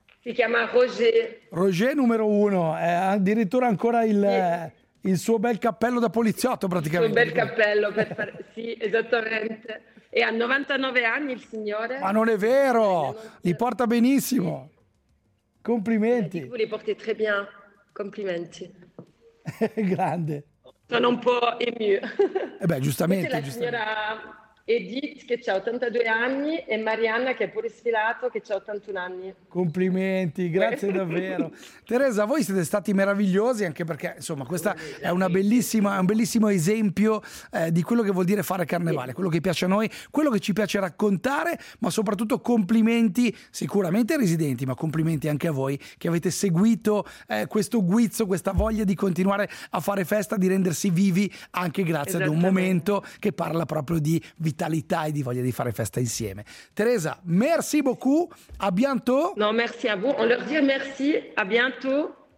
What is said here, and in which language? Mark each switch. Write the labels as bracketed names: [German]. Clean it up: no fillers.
[Italian] Si chiama Roger. Roger numero uno, è addirittura ancora il suo bel cappello da poliziotto praticamente. Il suo bel cappello, per fare... sì, esattamente. E ha 99 anni il signore. Ma non è vero, li porta benissimo. Sì. Complimenti. [French] Vous les portez très bien, [Italian] complimenti. Grande. Sono un po' ému. Eh beh, giustamente. La signora Edith che ha 82 anni e Marianna che è pure sfilato che ha 81 anni. Complimenti, grazie davvero. Teresa, voi siete stati meravigliosi anche perché insomma questa è una bellissima, un bellissimo esempio di quello che vuol dire fare carnevale, sì. Quello che piace a noi, quello che ci piace raccontare, ma soprattutto complimenti sicuramente ai residenti, ma complimenti anche a voi che avete seguito questo guizzo, questa voglia di continuare a fare festa, di rendersi vivi anche grazie ad un momento che parla proprio di vitalità e di voglia di fare festa insieme. [French] Teresa, merci beaucoup, a bientôt. [Italian] No, [French] merci [Italian] a voi. [French] On leur dit merci, a bientôt.